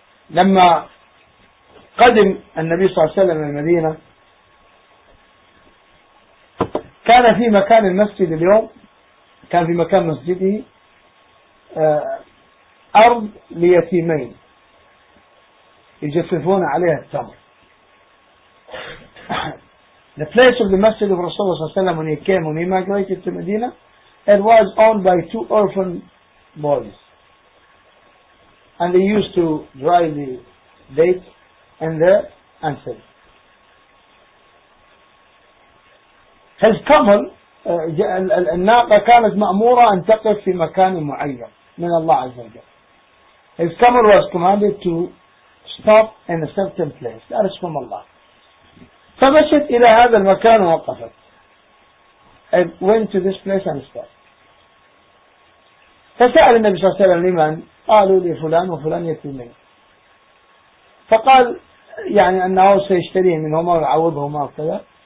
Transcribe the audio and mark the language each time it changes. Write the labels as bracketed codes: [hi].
[ar] لما قدم النبي صلى الله عليه وسلم المدينة كان في مكان المسجد اليوم كان في مكان مسجده أرض ليتيمين يجففون عليها التمر. [en] The place of the masjid of Rasulullah [ar] صلى الله عليه وسلم [en] when he came and immigrated to Medina, it was owned by two orphan boys. And they used to dry the dates in there and sell. His camel, [ar] الناقة كانت مأمورة أن تقف في مكان معين من الله عز وجل. [en] His camel was commanded to stop in a certain place. That is from Allah. [ar] فمشت إلى هذا المكان ووقفت. [en] It went to this place and stopped. [ar] فسأل النبي صلى الله عليه وسلم لمن؟ قالوا لي فلان وفلان يتيمين. فقال يعني أنه سيشتريه منهما ويعوضهما وكذا.